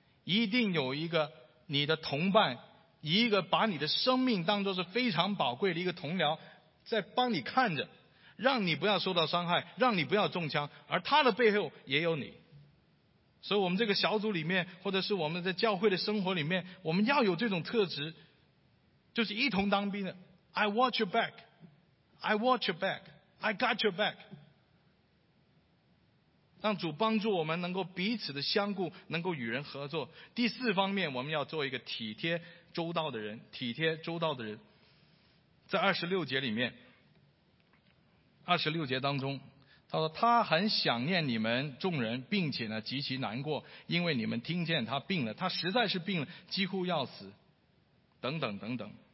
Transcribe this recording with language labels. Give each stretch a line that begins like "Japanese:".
Chinese: 一定有一个你的同伴，一个把你的生命当作是非常宝贵的一个同僚在帮你看着，让你不要受到伤害，让你不要中枪，而他的背后也有你。所以我们这个小组里面或者是我们在教会的生活里面，我们要有这种特质，就是一同当兵的。
English: I watch your back, I watch your back, I got your back。
Chinese: 让主帮助我们能够彼此的相顾，能够与人合作。第四方面，我们要做一个体贴周到的人，体贴周到的人。在二十六节里面，二十六节当中他说，他很想念你们众人，并且呢极其难过，因为你们听见他病了，他实在是病了，几乎要死，等等等等。